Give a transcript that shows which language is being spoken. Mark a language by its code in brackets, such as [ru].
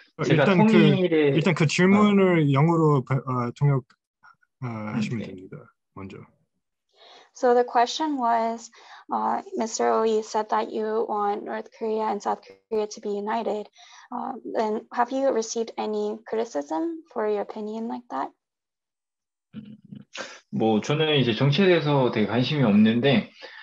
[ko] 일단 그 질문을 영어로 통역하시면 됩니다. 먼저. [en] So the question was, Mr. Oh, you said that you want North Korea and South Korea to be united. Then have you received any criticism for your opinion like that? [ko] 뭐 저는 이제 정치에 대해서 되게 관심이 없는데.